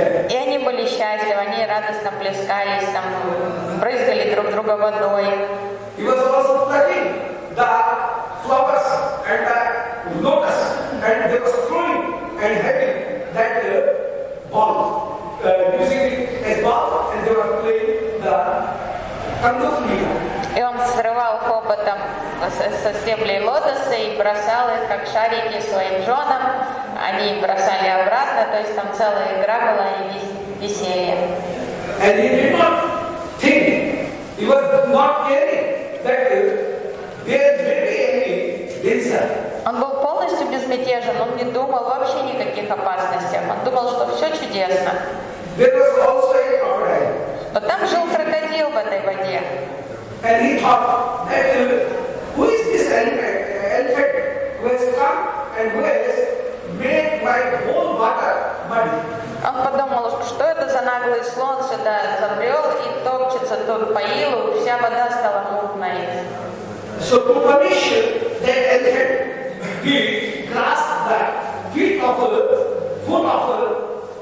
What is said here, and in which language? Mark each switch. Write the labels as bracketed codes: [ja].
[ru] И они были счастливы, они радостно плескались там, брызгали друг друга водой. [en] He was also plucking the flowers and the lotus, and they were throwing and having that ball, using a ball, and they were playing the kandukmi. [ru] И он срывал хоботом со стеблей лотоса и бросал их как шарики своим женам. Они бросали обратно, то есть там целая игра была и веселье. [en] And he did not think, he was not caring that there is really any danger. [ru] Он был полностью безмятежен, он не думал вообще никаких опасностях. Он думал, что все чудесно. [en] There was also a crocodile. [ru] Но там жил крокодил в этой воде. [en] And he thought that who is this elephant who has come and who has made my whole water muddy? [ru] Он подумал, что это за наглый слон сюда забрел и топчется тут по илу, вся вода стала мутной. [en] So to punish the elephant, he grasped the feet of a full of a